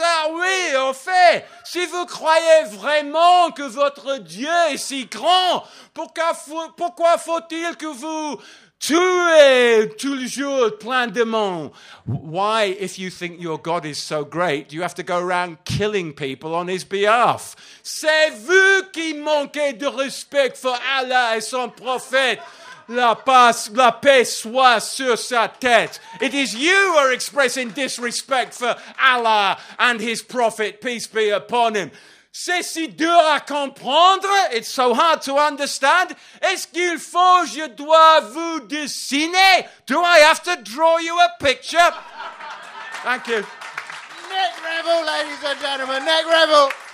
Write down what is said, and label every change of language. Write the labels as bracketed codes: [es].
[fr] Ah oui, en fait, si vous croyez vraiment que votre Dieu est si grand, pourquoi faut-il que vous tuez tous les jours plein de monde? [en] Why, if you think your God is so great, do you have to go around killing people on his behalf? [fr] C'est vous qui manquez de respect [en] for [fr] Allah et son prophète. La paix soit sur sa tête. [en] It is you who are expressing disrespect for Allah and his prophet, peace be upon him. [fr] C'est si dur à comprendre. [en] It's so hard to understand. [fr] Est-ce qu'il faut je dois vous dessiner? [en] Do I have to draw you a picture? Thank you. Nick Revel, ladies and gentlemen, Nick Revel.